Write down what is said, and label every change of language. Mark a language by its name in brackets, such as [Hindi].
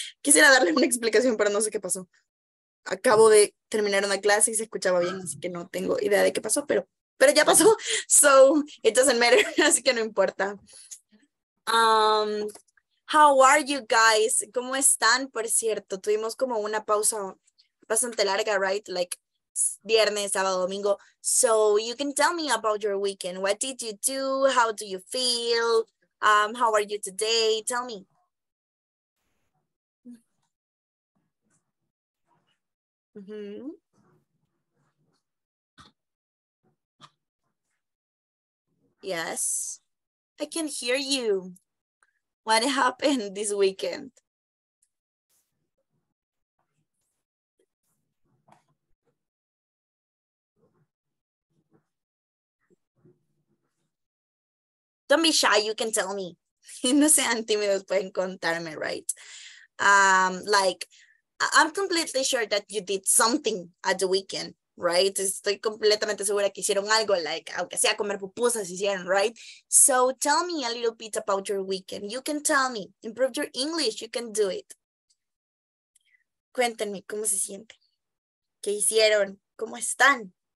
[Spanish] Quisiera darle una explicación, pero no sé qué pasó. Acabo de terminar una clase y se escuchaba bien, así que no tengo idea de qué pasó, pero ya pasó. [English] So, it doesn't matter, [Spanish] así que no importa. [English] How are you guys? [Spanish] ¿Cómo están? Por cierto, tuvimos como una pausa bastante larga, right? Like viernes, sábado, domingo. [English] So you can tell me about your weekend. What did you do? How do you feel? How are you today? Tell me. Yes, I can hear you. What happened this weekend? Don't be shy, you can tell me. [Spanish] No sean tímidos, pueden contarme, [English] right? Like, I'm completely sure that you did something at the weekend, right? [Spanish] Estoy completamente segura que hicieron algo, like, aunque sea comer pupusas, hicieron, right? [English] So tell me a little bit about your weekend. You can tell me. Improve your English, you can do it. [Spanish] Cuéntenme, ¿cómo se sienten? ¿Qué hicieron? ¿Cómo están?